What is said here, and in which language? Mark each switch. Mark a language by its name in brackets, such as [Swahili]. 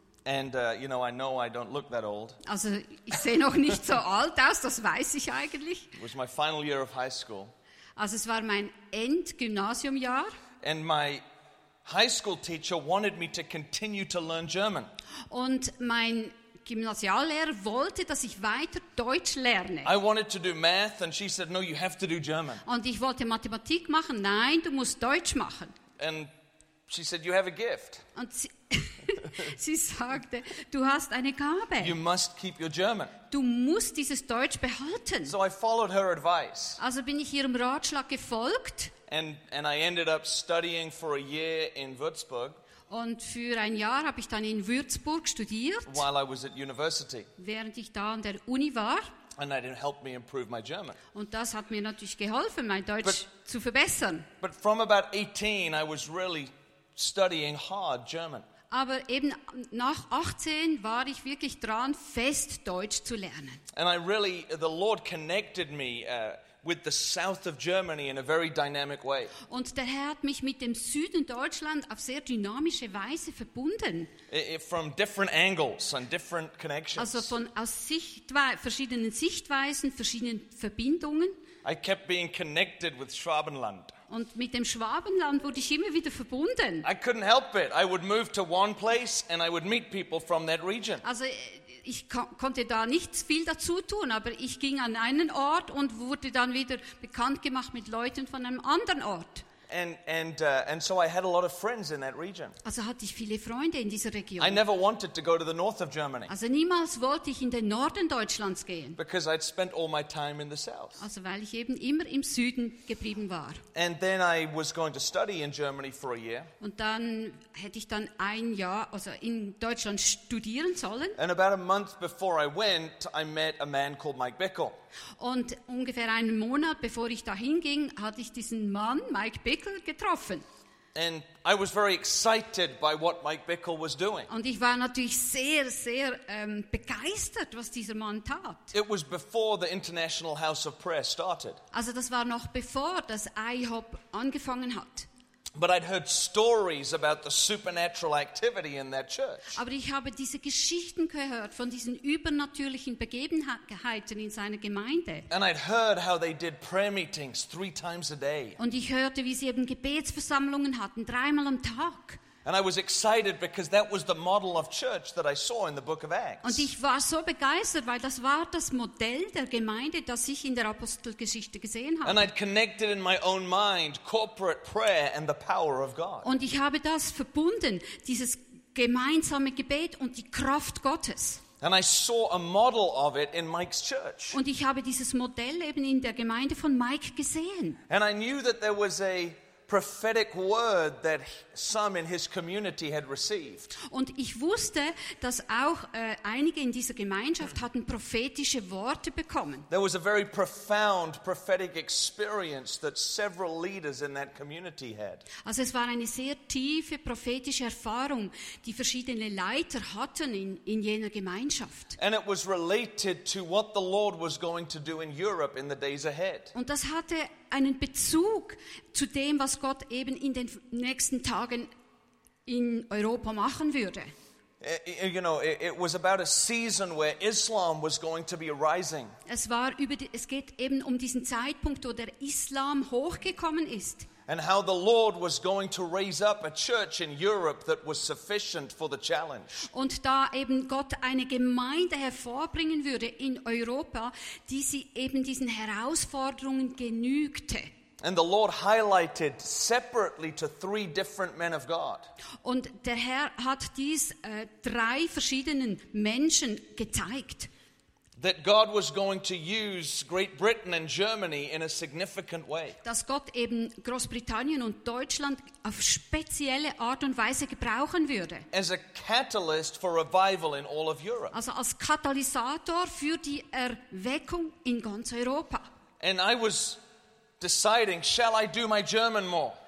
[English] And you know, I know I don't look that old. [German] Also, ich sehe noch nicht so alt aus, das weiß ich eigentlich. [English] It was my final year of high school. [German] Also, es war mein Endgymnasiumjahr. [English] And my high school teacher wanted me to continue to learn German. [German] Und mein Gymnasiallehrer wollte, dass ich weiter Deutsch lerne. [English] I wanted to do math and she said no, you have to do German. [German] Und ich wollte Mathematik machen. Nein, du musst Deutsch machen. [English] And she said you have a gift. [German] Und sie sagte, du hast eine Gabe. [English] You must keep your German. [German] Du musst dieses Deutsch behalten. [English] So I followed her advice. [German] Also bin ich ihrem Ratschlag gefolgt. [English] And I ended up studying for a year in Würzburg. [German] Und für ein Jahr habe ich dann in Würzburg studiert. [English] While I was at university. [German] Während ich da an der Uni war. [English] And that didn't help me improve my German. [German] Und das hat mir natürlich geholfen, mein Deutsch zu verbessern. [English] But from about 18, I was really studying hard German. [German] Aber eben nach 18 war ich wirklich dran, fest Deutsch zu lernen. [English] And I really, the Lord connected me with the south of Germany in a very dynamic way. [German] Und der Herr hat mich mit dem Süden Deutschland auf sehr dynamische Weise verbunden. [English] From different angles and different connections. [German] Also von aus verschiedenen Sichtweisen, verschiedenen Verbindungen. [English] I kept being connected with Schwabenland. [German] Und mit dem Schwabenland wurde ich immer wieder verbunden. [English] I couldn't help it. I would move to one place and I would meet people from that region. [German] Also ich konnte da nicht viel dazu tun, aber ich ging an einen Ort und wurde dann wieder bekannt gemacht mit Leuten von einem anderen Ort. [English] And so I had a lot of friends in that region. [German] Also hatte ich viele Freunde in dieser Region. [English] I never wanted to go to the north of Germany. [German] Also niemals wollte ich in den Norden Deutschlands gehen. [English] Because I'd spent all my time in the south. [German] Also weil ich eben immer im Süden geblieben war. [English] And then I was going to study in Germany for a year. [German] Und dann hätte ich dann ein Jahr, also in Deutschland studieren sollen. [English] And about a month before I went, I met a man called Mike Bickle. [German] Und ungefähr einen Monat bevor ich dahin ging, hatte ich diesen Mann Mike Bickle getroffen. [English] And I was very excited by what Mike Bickle was doing. [German] Und ich war natürlich sehr, sehr begeistert, was dieser Mann tat. [English] It was before the International House of Prayer started. [German] Also das war noch bevor das IHOP angefangen hat. [English] But I'd heard stories about the supernatural activity in that church. [German] Aber ich habe diese Geschichten gehört von diesen übernatürlichen Begebenheiten in seiner Gemeinde. [English] And I'd heard how they did prayer meetings 3 times a day. [German] Und ich hörte, wie sie eben Gebetsversammlungen hatten, 3 Mal am Tag. [English] And I was excited because that was the model of church that I saw in the book of Acts. [German] Und ich war so begeistert, weil das war das Modell der Gemeinde, das ich in der Apostelgeschichte gesehen habe. [English] And I'd connected in my own mind corporate prayer and the power of God. [German] Und ich habe das verbunden, dieses gemeinsame Gebet und die Kraft Gottes. [English] And I saw a model of it in Mike's church. [German] Und ich habe dieses Modell eben in der Gemeinde von Mike gesehen. [English] And I knew that there was a prophetic word that some in his community had received. [German] Und ich wusste, dass auch einige in dieser Gemeinschaft hatten prophetische Worte bekommen. [English] There was a very profound prophetic experience that several leaders in that community had. [German] Also es war eine sehr tiefe prophetische Erfahrung, die verschiedene Leiter hatten in jener Gemeinschaft. [English] And it was related to what the Lord was going to do in Europe in the days ahead. [German] Und das hatte einen Bezug zu dem, was Gott eben in den nächsten Tagen in Europa machen würde. [English] You know, it was about a season where Islam was going to be rising. [German] Es war über die, es geht eben um diesen Zeitpunkt, wo der Islam hochgekommen ist. [English] And how the Lord was going to raise up a church in Europe that was sufficient for the challenge. [German] Und da eben Gott eine Gemeinde hervorbringen würde in Europa, die sie eben diesen Herausforderungen genügte. [English] And the Lord highlighted separately to 3 different men of God. [German] Und der Herr hat dies 3 verschiedenen Menschen gezeigt. [English] That God was going to use Great Britain and Germany in a significant way. [German] Dass Gott eben Großbritannien und Deutschland auf spezielle Art und Weise gebrauchen würde. [English] As a catalyst for revival in all of Europe. [German] Also als Katalysator für die Erweckung in ganz Europa. [English] And I was deciding, shall I do my German more?